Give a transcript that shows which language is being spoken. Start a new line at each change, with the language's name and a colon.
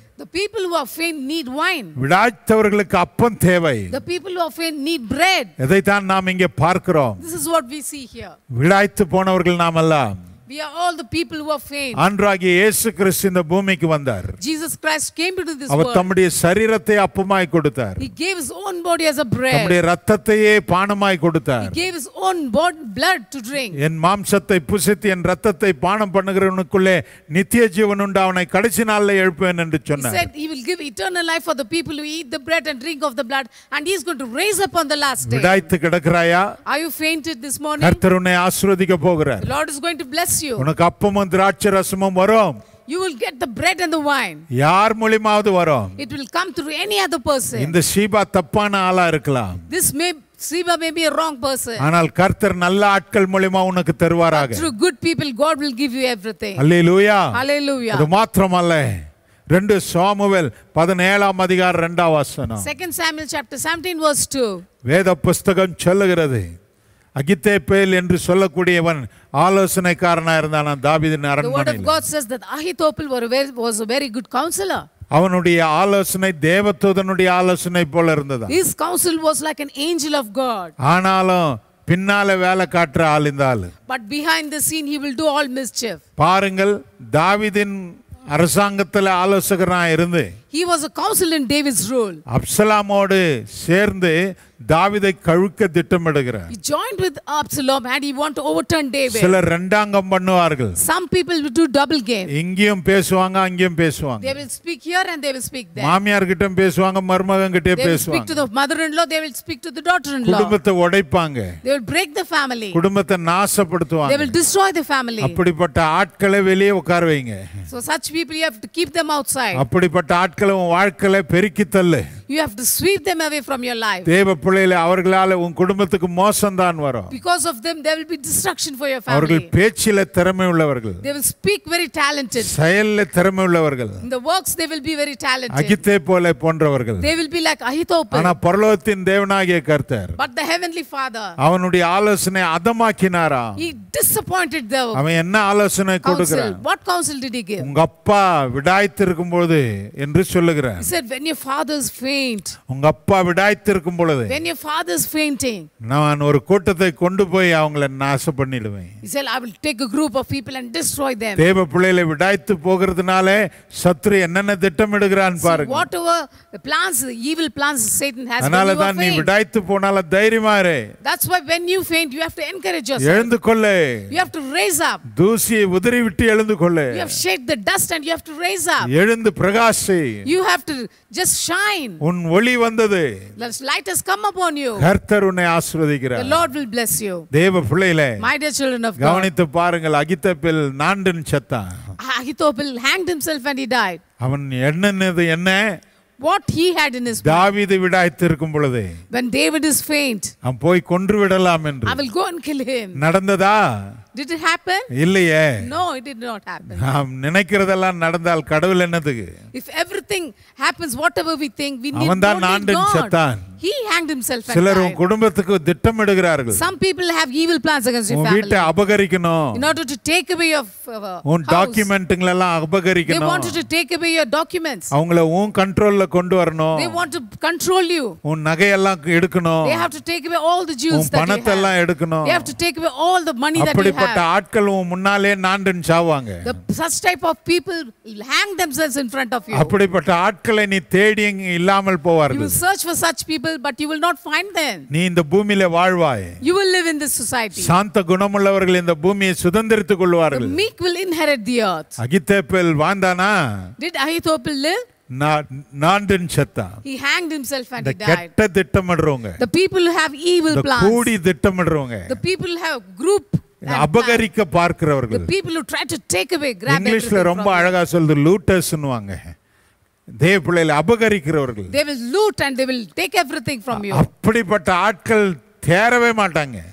English: The people who are faint need wine.
Tamil: விடாய்த்தவர்களுக்கு அப்பம் தேவை.
English: The people who are faint need bread.
Tamil: இதை தான் நாம் இங்கே பார்க்கிறோம்.
English: This is what we see here.
Tamil: விடாய்த்து போனவர்கள் நாம் எல்லாம்.
English: We are all the people who are faint.
Tamil: ஆண்டவராகிய இயேசு கிறிஸ்து இந்த பூமிக்கு வந்தார்.
English: Jesus Christ came into this world.
Tamil: அவர் தம்முடைய சரீரத்தை அப்பமாய் கொடுத்தார்.
English: He gave his own body as a bread.
Tamil: தம்முடைய இரத்தத்தையே பானமாய் கொடுத்தார்.
English: He gave his own blood to drink.
Tamil: என் மாம்சத்தை புசித்து என் இரத்தத்தை பானம் பண்ணுகிறவனுக்குள்ளே நித்திய ஜீவன் உண்டு அவனை கடைசி நாளிலே எழுப்புவேன் என்று சொன்னார்.
English: He said he will give eternal life for the people who eat the bread and drink of the blood and he is going to raise up on the last day.
Tamil: விடாய்த்து கிடக்கிறாயா?
English: Are you fainted this morning?
Tamil: கர்த்தர் உன்னை ஆசீர்வதிக்க போகிறார்.
English: The Lord is going to bless you.
Tamil: உனக்கு அப்பமும் திராட்சை ரசமும் வரும்.
English: You will get the bread and the wine.
Tamil: யார் மூலமாவது வரும்.
English: It will come through any other person.
Tamil: இந்த சீபா தப்பான ஆளா இருக்கலாம்.
English: This may Siba may be a wrong person.
Tamil: ஆனால் கர்த்தர் நல்ல ஆட்கள் மூலமா உனக்கு தருவாராக.
English: Through good people God will give you everything. Hallelujah. Hallelujah.
Tamil: அது மாத்திரமல்ல. 2 சாமுவேல் 17 அதிகாரம் 2 வசனம்.
English: 2 Samuel chapter 17 verse 2.
Tamil: வேத புத்தகம் சொல்லுகிறது. அகித்தோப்பேல் என்று சொல்லக்கூடியவன் ஆலோசனைக்காரனா இருந்தான் தாவீதின் அரண்மனையில்.
English: The word of God says that Ahithophel was a very good counselor.
Tamil: அவனுடைய ஆலோசனை தேவதூதனுடைய ஆலோசனை போல இருந்ததா?
English: His counsel was like an angel of God.
Tamil: ஆனாலும் பின்னால வேலை காட்டுற ஆள் இந்த ஆளு.
English: But behind the scene he will do all mischief.
Tamil: பாருங்கள் தாவீதின் அரசாங்கத்தில் ஆலோசகனா இருந்து.
English: He was a counselor in David's rule.
Tamil: அப்சலாமோடு சேர்ந்து தாவீதை கழுக்க திட்டமிடுகிறார்.
English: He joined with Absalom and he want to overturn David.
Tamil: சிலர் ரெண்டாங்கம் பண்ணுவார்கள்.
English: Some people will do double game.
Tamil: இங்கேயும் பேசுவாங்க அங்கேயும் பேசுவாங்க.
English: They will speak here and they will speak there.
Tamil: மாமியார் கிட்டம் பேசுவாங்க மருமகன் கிட்டே பேசுவாங்க.
English: They will speak to the mother-in-law, they will speak to the daughter-in-law.
Tamil: குடும்பத்தை உடைப்பாங்க.
English: They will break the family.
Tamil: குடும்பத்தை நாசப்படுத்துவாங்க.
English: They will destroy the family.
Tamil: அப்படிப்பட்ட ஆட்களை வெளியே உட்கார வைங்க.
English: So such people you have to keep them outside.
Tamil: அப்படிப்பட்ட ஆட்களை வாழ்க்கையிலே பெருக்கி தள்ளு.
English: You have to sweep them away from your life.
Tamil: தேவ பிள்ளையிலே அவர்களால உன் குடும்பத்துக்கு மோசம் தான் வரும்.
English: Because of them there will be destruction for your family.
Tamil: அவர்கள் பேச்சில திறமை உள்ளவர்கள்.
English: They will speak very talented.
Tamil: செயல்ல திறமை உள்ளவர்கள்.
English: In the works they will be very talented.
Tamil: அகித்தே போல போன்றவர்கள்.
English: They will be like Ahithophel.
Tamil: ஆனா பரலோகத்தின் தேவனாகிய கர்த்தர்
English: But the heavenly father.
Tamil: அவனுடைய ஆலோசனை அதமாக்கினாரா?
English: He disappointed them.
Tamil: அவன் என்ன ஆலோசனை கொடுக்கிறான்?
English: What counsel did he give?
Tamil: உங்க அப்பா விடாயித்திருக்கும் பொழுது என்று சொல்லுகிறார்.
English: He said when your father is faint, faint.
Tamil: உங்க அப்பா விடாயித்திருக்கும் பொழுது.
English: When your father's fainting.
Tamil: நான் ஒரு கூட்டத்தை கொண்டு போய் அவங்களை நாச பண்ணிடுவேன்.
English: He said I will take a group of people and destroy them.
Tamil: தேவ பிள்ளைகளை விடாயித்து போகிறதுனாலே சத்ரு என்னென்ன திட்டமிடுகிறான் பாருங்க.
English: Whatever the plans, the evil plans Satan has.
Tamil: அதனால தான் நீ விடாயித்து போனால தைரியமா இரு.
English: That's why when you faint you have to encourage yourself.
Tamil: எழுந்து கொள்ள.
English: You have to raise up.
Tamil: தூசியை உதறி விட்டு எழுந்து கொள்ள.
English: You have shed the dust and you have to raise up.
Tamil: எழுந்து பிரகாசி.
English: You have to just shine.
Tamil: உன் ஒளி வந்தது.
English: The light has come upon you.
Tamil: கர்த்தர் உன்னை ஆசீர்வதிக்கிறார்.
English: The Lord will bless you.
Tamil: தேவ பிள்ளையிலே.
English: My dear children of God.
Tamil: கவனித்து பாருங்கள் அகித்தோப்பேல் நாண்டன் செத்தான்.
English: Ahithophel hanged himself and he died.
Tamil: அவன் என்னது என்ன?
English: What he had in his mind.
Tamil: தாவீத விடாயித்திருக்கும் பொழுது.
English: When David is faint.
Tamil: அவன் போய் கொன்று விடலாம் என்று.
English: I will go and kill him.
Tamil: நடந்ததா?
English: Did it happen?
Tamil: இல்லையே.
English: No, it did not happen.
Tamil: நாம் நினைக்கிறதெல்லாம் நடந்தால் கடவுள் என்னதுக்கு?
English: If everything happens whatever we think we need to know.
Tamil: அவன் தான் செத்தான்.
English: He hanged himself.
Tamil: சிலரும் குடும்பத்துக்கு திட்டமிடுகிறார்கள்.
English: Some people have evil plans against your family.
Tamil: வீட்டை அபகரிக்கணும்.
English: In order to take away your own documents
Tamil: எல்லாம் அபகரிக்கணும்.
English: They wanted to take away your documents.
Tamil: அவங்களே உன் கண்ட்ரோல்ல கொண்டு வரணும்.
English: They want to control you.
Tamil: உன் நகையெல்லாம் எடுக்கணும்.
English: They have to take away all the jewels that you have.
Tamil: பணத்தெல்லாம் எடுக்கணும்.
English: They have to take away all the money that you have.
Tamil: அப்படிப்பட்ட ஆட்கள் உன் முன்னாலே நாண்டன் சாவாங்க.
English: The such type of people hang themselves in front of you.
Tamil: அப்படிப்பட்ட ஆட்களை நீ தேடிங்க இல்லாமல் போவார்கள்.
English: You will search for such people but you will not find them.
Tamil: நீ இந்த பூமியிலே வாழ்வாய்.
English: You will live in this society.
Tamil: சாந்த குணமுள்ளவர்கள் இந்த பூமியை சுதந்தரித்துக் கொள்வார்கள்.
English: The meek will inherit the earth.
Tamil: Ahithophel வாழ்ந்தானா?
English: Did Ahithophel live?
Tamil: நாண்டன் செத்தான்.
English: He hanged himself and the he died.
Tamil: கெட்ட திட்டமிடுறவங்க.
English: The people who have evil plans.
Tamil: கூடி திட்டமிடுறவங்க.
English: The people have group
Tamil: அபகரிக்க பார்க்கிறவர்கள்.
English: The people who try to take away grab.
Tamil: இங்கிலீஷ்ல ரொம்ப அழகா சொல்றது லூட்டர்ஸ்னுவாங்க. தேவ பிள்ளைகளை அபகரிக்கிறவர்கள்.
English: They will loot and they will take everything from you.
Tamil: அப்படிப்பட்ட ஆட்கள் தேரவே மாட்டாங்க.